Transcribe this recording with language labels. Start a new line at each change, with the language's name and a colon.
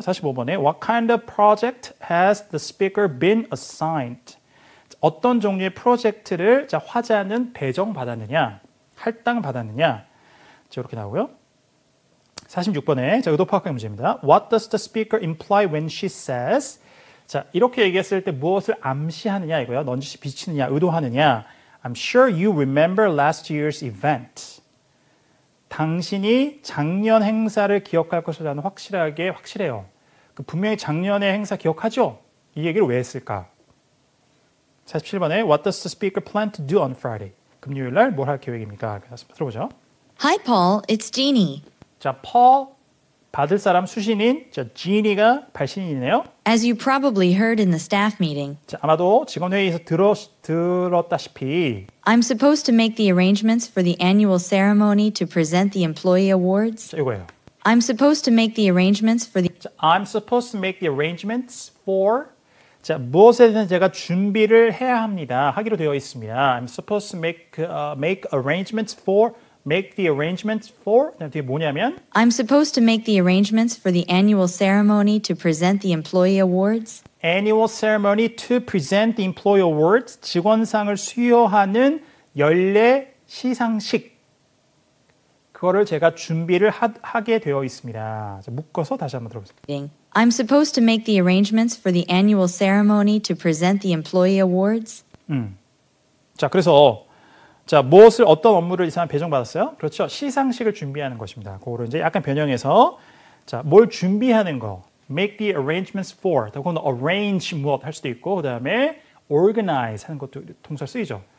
English: 45번에 What kind of project has the speaker been assigned?
Korean: 어떤 종류의 프로젝트를 자, 화자는 배정받았느냐, 할당받았느냐. 자, 이렇게 나오고요. 46번에 자, 의도파악의 문제입니다.
English: What does the speaker imply when she says?
Korean: 자, 이렇게 얘기했을 때 무엇을 암시하느냐 이거요. 넌지시 비치느냐, 의도하느냐.
English: I'm sure you remember last year's event.
Korean: 당신이 작년 행사를 기억할 것이라는 확실하게 확실해요. 그 분명히 작년의 행사 기억하죠? 이 얘기를 왜 했을까?
English: 47번에 What does the speaker plan to do on Friday?
Korean: 금요일 날 뭘 할 계획입니까? 들어보죠.
English: Hi, Paul. It's Jeannie.
Korean: 자, Paul, 받을 사람 수신인 자, Jeannie가 발신인이네요.
English: As you probably heard in the staff meeting.
Korean: 자, 아마도 직원 회의에서 들었다시피
English: I'm supposed to make the arrangements for the annual ceremony to present the employee awards.
Korean: 자, 이거예요.
English: I'm supposed to make the arrangements for the
Korean: 자,
English: I'm supposed to make the arrangements for
Korean: 자, 무엇에든 제가 준비를 해야 합니다. 하기로 되어 있습니다.
English: I'm supposed to make arrangements for Make the arrangements for
Korean: 뒤에 뭐냐면
English: I'm supposed to make the arrangements for the annual ceremony to present the employee awards. Annual ceremony to present the employee awards.
Korean: 직원상을 수여하는 연례 시상식. 그거를 제가 준비를 하게 되어 있습니다. 묶어서 다시 한번 들어보세요.
English: I'm supposed to make the arrangements for the annual ceremony to present the employee awards.
Korean: 자, 그래서 자, 무엇을 어떤 업무를 이 사람 배정받았어요? 그렇죠. 시상식을 준비하는 것입니다. 그거를 이제 약간 변형해서 자, 뭘 준비하는 거.
English: Make the arrangements for.
Korean: 그건 arrange 무엇 할 수도 있고 그다음에 organize 하는 것도 동사 쓰이죠.